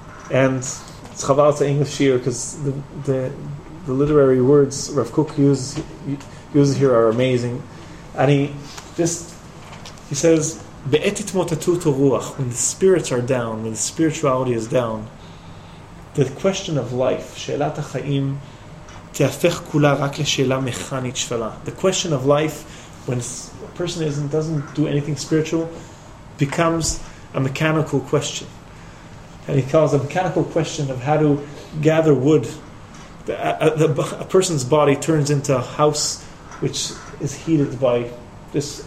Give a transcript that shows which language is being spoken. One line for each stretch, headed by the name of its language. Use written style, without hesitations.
English: And it's chaval to English here because the literary words Rav Kook uses here are amazing, and he says
Hebrew: be'etit motatut ruach,
English: when the spirits are down, when the spirituality is down, the question of life,
Hebrew: שאלת החיים, תהפך כולה רק לשאלה מכנית שפלה.
English: The question of life, when a person isn't, doesn't do anything spiritual, becomes a mechanical question. And he calls a mechanical question of how to gather wood. A person's body turns into a house which is heated by this.